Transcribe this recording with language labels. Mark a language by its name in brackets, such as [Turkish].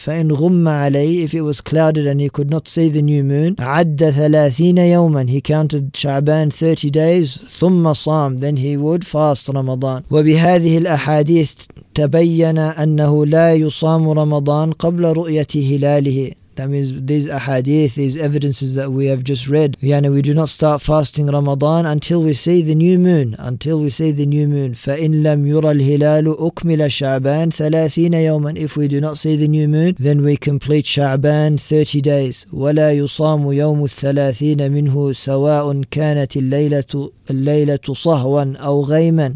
[Arabic] فإن غم عليه, [English] if it was clouded and he could not see the new moon, [Arabic] عد 30 يوما, [English] he counted Sha'ban 30 days, [Arabic] ثم صام, [English] then he would fast Ramadan. [Arabic] وبهذه الأحاديث تبين أنه لا يصام رمضان قبل رؤية هلاله. [English] That means these ahadith, these evidences that we have just read, يعني we do not start fasting Ramadan until we see the new moon. [Arabic] فإن لم يرى الهلال أكمل شعبان 30 يوما. [English] If we do not see the new moon, then we complete شعبان 30 days. [Arabic] ولا يصام يوم الثلاثين منه سواء كانت الليلة صهوا أو غيما.